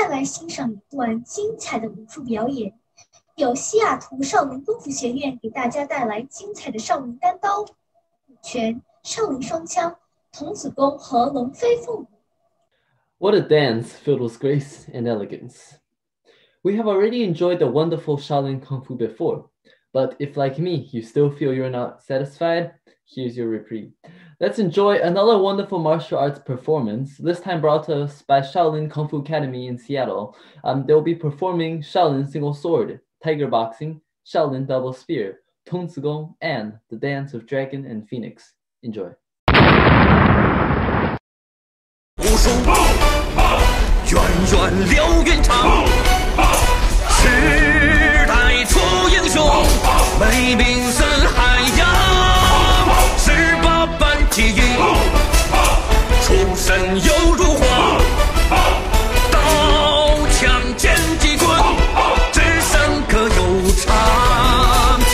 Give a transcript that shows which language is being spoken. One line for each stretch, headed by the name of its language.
Chinese: 欣赏一段精彩的武术表演，由西雅图少林功夫学院给大家带来精彩的少林单刀、武拳、少林双枪、童子功和龙飞凤舞。
English: What a dance filled with grace and elegance. We have already enjoyed the wonderful Shaolin Kung Fu before, but if like me, you still feel you're not satisfied, here's your reprieve. Let's enjoy another wonderful martial arts performance, this time brought to us by Shaolin Kung Fu Academy in Seattle. They'll be performing Shaolin Single Sword, Tiger Boxing, Shaolin Double Spear, Tongzigong, and the Dance of Dragon and Phoenix. Enjoy.
Chinese: 武术源远流云长，时代出英雄，威名四海扬，记忆出身犹如花，刀枪剑戟棍，只剩个有常。